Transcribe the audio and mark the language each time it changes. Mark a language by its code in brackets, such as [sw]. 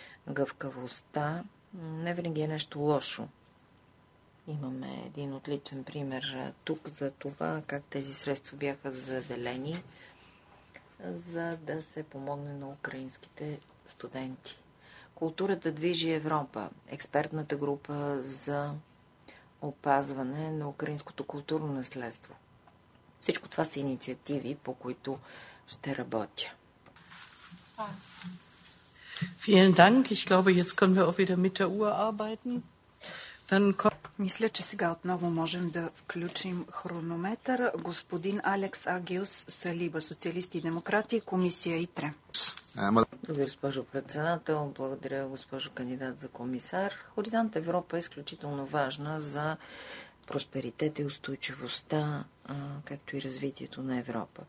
[bg] Гъвкавостта не винаги е нещо лошо. Имаме един отличен пример тук за това как тези средства бяха заделени, за да се помогне на украинските студенти. Културата движи Европа. Експертната група за опазване на украинското културно наследство. Всичко това са инициативи, по които ще работя. [de] Vielen Dank. Ich glaube, jetzt können wir auch wieder mit der Uhr arbeiten. [bg] Мисля, че сега отново можем да включим хронометър. Господин Алекс Агиус Салиба, социалисти и демократи, комисия ИТРЕ. Благодаря, госпожо председател. Благодаря, госпожо кандидат за комисар. Хоризонт Европа е изключително важна за просперитет и устойчивостта, както и развитието на Европа.